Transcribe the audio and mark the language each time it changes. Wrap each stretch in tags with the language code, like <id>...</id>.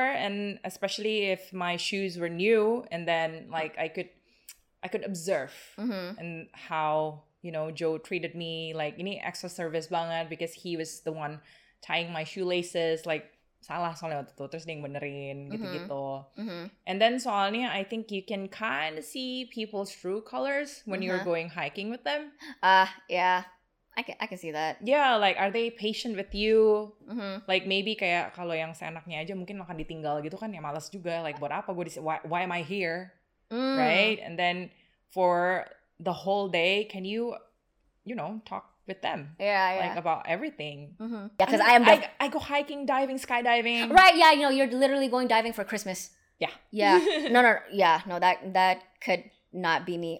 <en>And especially if my shoes were new, and then, like, I could observe, mm-hmm, and how, you know, Joe treated me, like,</en> <id>ini extra service banget,</id> <en>because he was the one tying my shoelaces, like,</en> <id>salah soalnya waktu itu, terus dia yang benerin, gitu-gitu.</id> <en>Mm-hmm. And then</en> <id>soalnya,</id> <en>I think you can kind of see people's true colors when, mm-hmm, you're going hiking with them. I can see that. Yeah, like, are they patient with you? Mm-hmm.</en> <id>Like, maybe kayak kalau yang seenaknya aja mungkin makan ditinggal gitu kan, ya malas juga.</id> <en>Like,</en> <id>buat apa gue</id> <en>why am I here? Mm. Right? And then for the whole day, can you, you know, talk with them? Yeah. Like, about everything. Mm-hmm. Yeah, because I am. I go hiking, diving, skydiving. Right, yeah, you know, you're literally going diving for Christmas. Yeah. Yeah. No. Yeah. No, that could not be me.</en>